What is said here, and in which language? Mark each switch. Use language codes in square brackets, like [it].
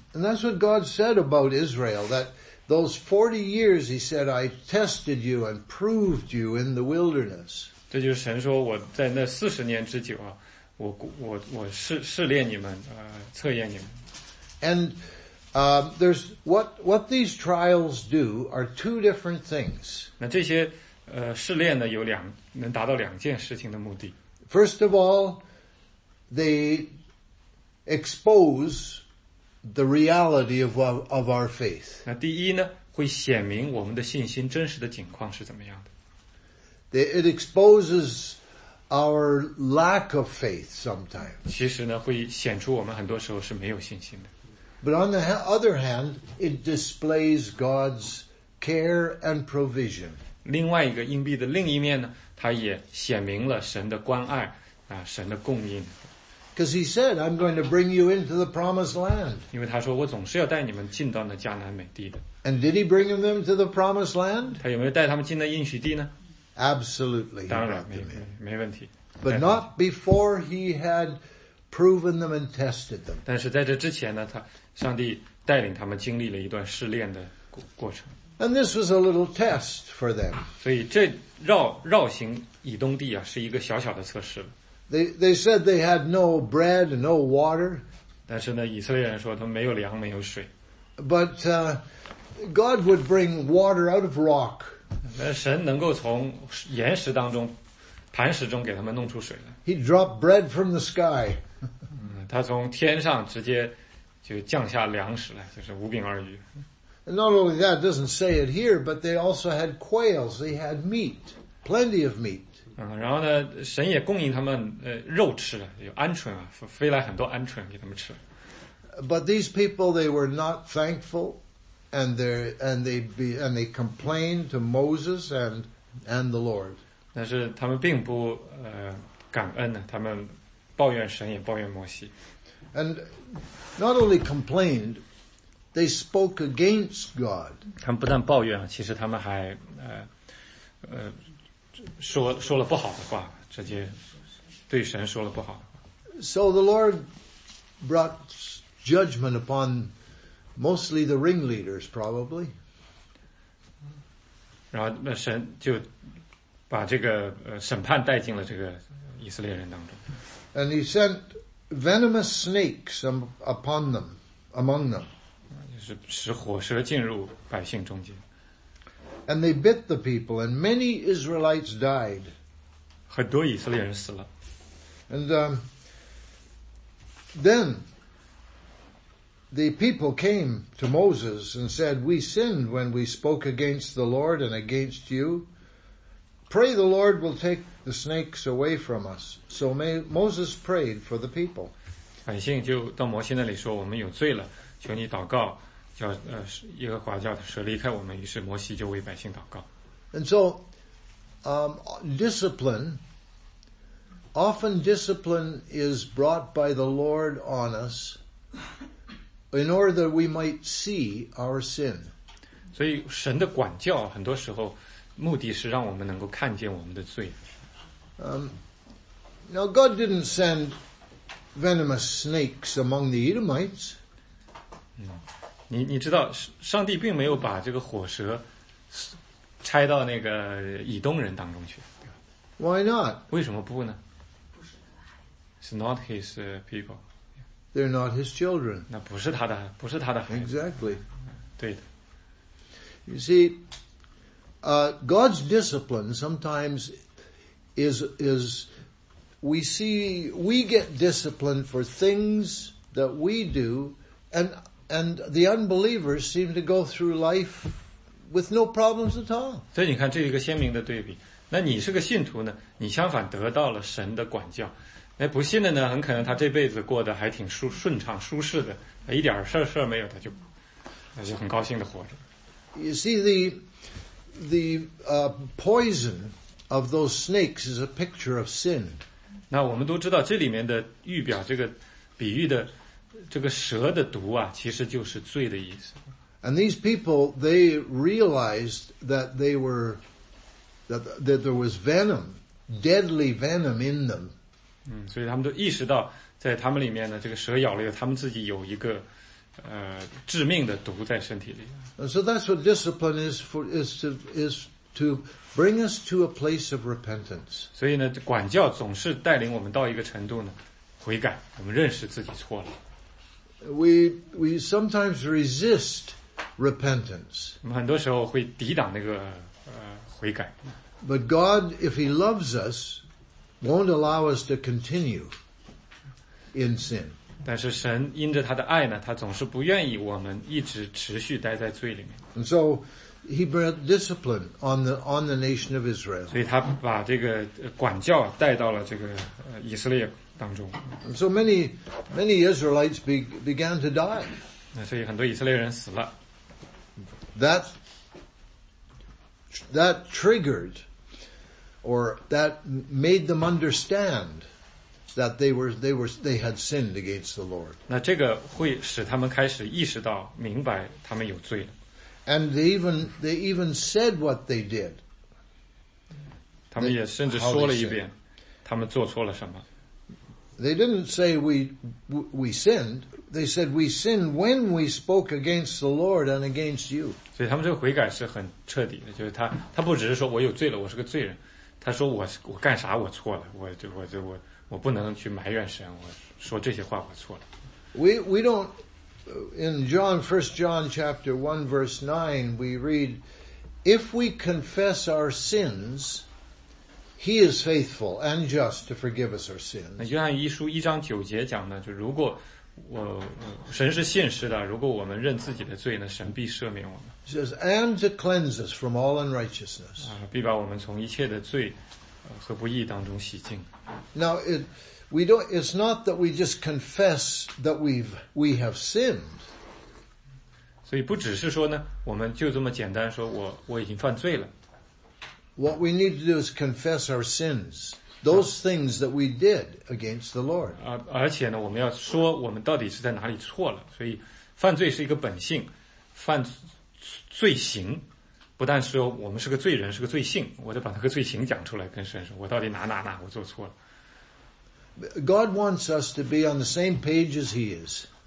[en] And that's what God said about Israel, that those 40 years, He said, I tested you and proved you in the wilderness. [zh] 这就是神说，我在那40年之久啊，我试炼你们，测验你们。 [en] And there's what these trials do are two different things. [zh] 那这些试炼呢，有两能达到两件事情的目的。 [en] First of all, they expose the reality of our faith. [zh] 那第一呢，会显明我们的信心真实的情况是怎么样的。 [en] It exposes our lack of faith sometimes. [zh] 其实呢，会显出我们很多时候是没有信心的。 [en] But on the other hand, it displays God's care and provision. [zh] 另外一个硬币的另一面呢，它也显明了神的关爱啊，神的供应。 [en] Because He said, "I'm going to bring you into the promised land." [zh] 因为他说，我总是要带你们进到那迦南美地的。 [en] And did He bring them to the promised land? [zh] 他有没有带他们进那应许地呢？ [en] Absolutely. [zh] 当然没问题。 [en] But not before He had proven them and tested them. [zh] 但是在这之前呢，他上帝带领他们经历了一段试炼的过程。 [en] And this was a little test for them. [zh] 所以这绕行以东地啊，是一个小小的测试。 [en] They said they had no bread and no water. [zh] 但是呢，以色列人说他们没有粮，没有水。 [en] But God would bring water out of rock. [zh] 神能够从岩石当中、磐石中给他们弄出水来。 [en] He dropped bread from the sky. [zh] 他从天上直接就降下粮食来，就是五饼二鱼。 [en] And not only that, doesn't say it here, but they also had quails. They had meat, plenty of meat. [zh] 然后呢，神也供应他们肉吃，有鹌鹑啊，飞来很多鹌鹑给他们吃。 [en] But these people, they were not thankful, and they complained to Moses and the Lord. [zh] 但是他们并不感恩呢，他们抱怨神也抱怨摩西。 [en] And not only complained, they spoke against God. [zh] 他们不但抱怨，其实他们还说了不好的话，直接对神说了不好的话。 [en] So the Lord brought judgment upon mostly the ringleaders, probably. [zh] 然后那神就把这个审判带进了这个以色列人当中。 [en] And he sent venomous snakes upon them, among them. [zh] 就是使火蛇进入百姓中间。 [en] And they bit the people, and many Israelites died. [zh] 很多以色列人死了。 [en] And then the people came to Moses and said, "We sinned when we spoke against the Lord and against you. Pray the Lord will take the snakes away from us." So Moses prayed for the people. [zh] 百姓就到摩西那里说，我们有罪了，求你祷告，叫耶和华叫蛇离开我们。于是摩西就为百姓祷告。 [en] And so, discipline, often discipline is brought by the Lord on us in order that we might see our sin. [zh] 所以神的管教很多时候目的是让我们能够看见我们的罪。 [en] Now God didn't send venomous snakes among the Edomites. [zh] 你知道上帝并没有把这个火蛇拆到那个以东人当中去。 [en] Why not? [zh] 为什么不呢？不是 [en] not his people. They're not his children. [zh] 那不是他的，不是他的孩子。 [en] Exactly. [zh] 对的。 [en] You see, God's discipline sometimes is we see we get disciplined for things that we do, and the unbelievers seem to go through life with no problems at all. [zh] 所以你看，这是一个鲜明的对比。那你是个信徒呢？你相反得到了神的管教。那不信的呢？很可能他这辈子过得还挺顺畅、舒适的，一点事儿没有，他就很高兴的活着。 [en] You see the poison of those snakes is a picture of sin. [zh] 那我们都知道这里面的预表，这个比喻的这个蛇的毒啊，其实就是罪的意思。 [en] And these people, they realized that they were, that there was venom, deadly venom in them. [zh] 所以他们都意识到在他们里面呢，这个蛇咬了他们自己有一个致命的毒在身体里。 [en] So that's what discipline is for, is to bring us to a place of repentance. [zh] 所以呢，管教总是带领我们到一个程度呢，悔改，我们认识自己错了。 [en] We sometimes resist repentance. [zh] 我们很多时候会抵挡那个悔改。 [en] But God, if He loves us, won't allow us to continue in sin. [zh] 但是神因着他的爱呢，他总是不愿意我们一直持续待在罪里面。 [en] And so He brought discipline on the nation of Israel. [zh] 所以他把这个管教带到了这个以色列当中。 [en] And so many Israelites began to die. [zh] 那所以很多以色列人死了。 [en] That triggered, or that made them understand that they had sinned against the Lord. [zh] 那这个会使他们开始意识到，明白他们有罪了。 [en] And they even said what they did. [zh] 他们也甚至说了一遍，他们做错了什么。 [en] They didn't say we sinned. They said we sinned when we spoke against the Lord and against you. [zh] 所以他们这个悔改是很彻底的，就是他不只是说我有罪了，我是个罪人。他说我干啥我错了，我不能去埋怨神，我说这些话我错了。 [en] We don't, in John, 1 John chapter 1 verse 9, we read, if we confess our sins, He is faithful and just to forgive us our sins. [zh] 那约翰一书一章九节讲呢，就如果神是信实的，如果我们认自己的罪呢，神必赦免我们。 [en] He says, and to cleanse us from all unrighteousness. [zh] 必把我们从一切的罪和不义当中洗净。 [en] Now it's not that we just confess that we have sinned. [zh] 所以不只是说呢，我们就这么简单说我已经犯罪了。 [en] What we need to do is confess our sins. those things that we did against the Lord. [zh] 而且呢，我们要说我们到底是在哪里错了。所以，犯罪是一个本性，犯罪行不但是我们是个罪人，是个罪性。我得把那个罪行讲出来，跟神说，我到底哪我做错了。 [en] God wants us to be on the same page as He is.